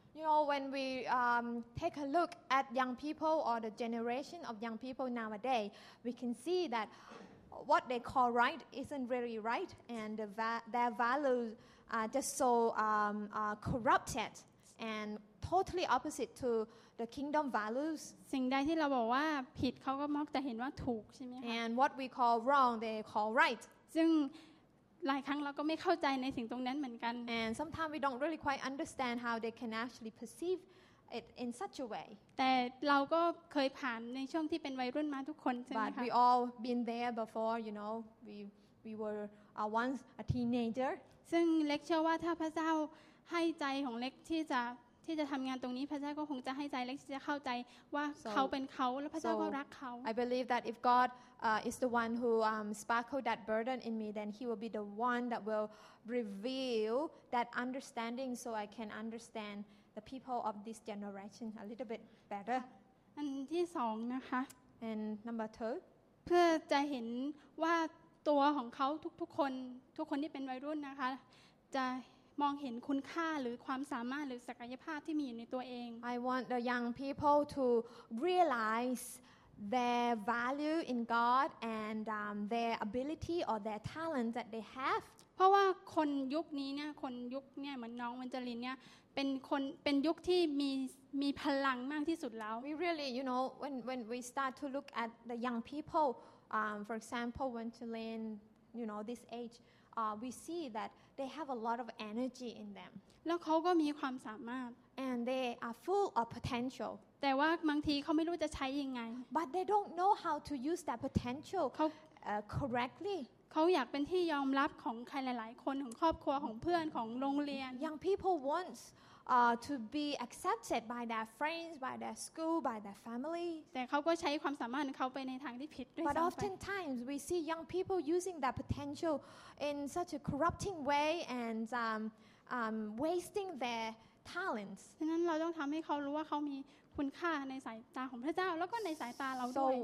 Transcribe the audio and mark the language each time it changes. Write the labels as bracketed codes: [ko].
[en] You know when we take a look at young people or the generation of young people nowadays we can see that what they call right isn't really right and their values are just so corrupted and totally opposite to the kingdom values [th] สิ่งใดที่เราบอกว่าผิดเขาก็มักจะเห็นว่าถูกใช่ไหมคะ [en] and what we call wrong they call right [th] ซึ่งหลายครั้งเราก็ไม่เข้าใจในสิ่งตรงนั้นเหมือนกัน [en] and sometimes we don't really quite understand how they can actually perceive it in such a way [th] แต่เราก็เคยผ่านในช่วงที่เป็นวัยรุ่นมาทุกคนใช่ไหมคะ [en] but we all been there before you know we were once a teenager [th] ซึ่งเล็กเชื่อว่าถ้าพระเจ้าให้ใจของเล็กที่จะทำงานตรงนี้พระเจ้าก็คงจะให้ใจและจะเข้าใจว่าเขาเป็นเขาและพระเจ้าก็รักเขา [en] I believe that if God is the one who sparkled that burden in me then he will be the one that will reveal that understanding so I can understand the people of this generation a little bit better [th] อันที่สองนะคะ [en] and number two [th] เพื่อจะเห็นว่าตัวของเขาทุกๆคนที่เป็นวัยรุ่นนะคะจะมองเห็นคุณค่าหรือความสามารถหรือศักยภาพที่มีอยู่ในตัวเอง [en] I want the young people to realize their value in God and their ability or their talent that they have [th] เพราะว่าคนยุคนี้เนี่ยคนยุคเนี่ยเหมือนน้องวันจรินเนี่ยเป็นยุคที่มีพลังมากที่สุดแล้ว [en] We really you know when we start to look at the young people for example when to learn you know this agewe see that they have a lot of energy in them [th] แล้วเขาก็มีความสามารถ [en] and they are full of potential [th] แต่ว่าบางทีเขาไม่รู้จะใช้ยังไง [en] but they don't know how to use that potential correctly [th] เขาอยากเป็นที่ยอมรับของใครหลายๆคนของครอบครัวของเพื่อนของโรงเรียน [en] young people wants to be accepted by their friends by their school by their family [th] แต่เขาก็ใช้ความสามารถของเขาไปในทางที่ผิดด้วยซ้ำไป [en] But oftentimes we see young people using that potential in such a corrupting way and wasting their talents [th] ฉะนั้นเราต้องทำให้เขารู้ว่าเขามีคุณค่าในสายตาของพระเจ้าแล้วก็ในสายตาเราด้วย